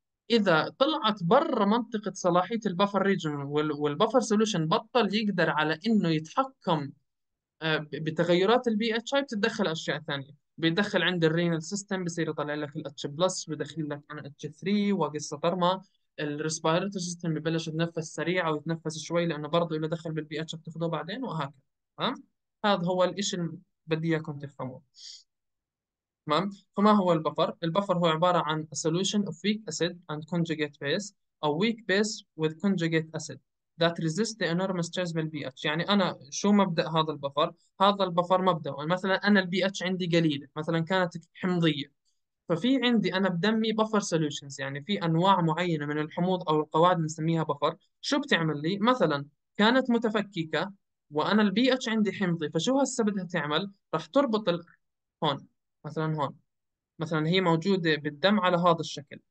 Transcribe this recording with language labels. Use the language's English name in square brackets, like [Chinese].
[Arabic] إذا طلعت برا منطقة صلاحية البفر ريجن والبفر سولوشن بطل يقدر على إنه يتحكم بتغيرات البي اتش اي، بتتدخل أشياء ثانية، بيدخل عند الرينال سيستم بصير يطلع لك الاتش بلس، بيدخل لك عن اتش 3 وقصة طرمة، الريسبيراتوري سيستم ببلش يتنفس سريع او يتنفس شوي لانه برضه له دخل بالبي اتش بتاخذه بعدين وهكذا. تمام، هذا هو الاشي اللي بدي اياكم تفهموه. تمام، فما هو البفر؟ البفر هو عباره عن [English] a solution of weak acid and conjugate base [Arabic] او [English] weak base with conjugate acid that resist the enormous stress [Arabic] بالبي اتش. يعني انا شو مبدا هذا البفر؟ هذا البفر مبدا مثلا انا البي اتش عندي قليله مثلا كانت حمضيه، ففي عندي انا بدمي بفر سوليوشنز، يعني في انواع معينه من الحموض او القواعد نسميها بفر. شو بتعمل لي؟ مثلا كانت متفككه وانا البي اتش عندي حمضي، فشو هسه بدها تعمل؟ راح تربط هون مثلا، هون مثلا هي موجوده بالدم على هذا الشكل.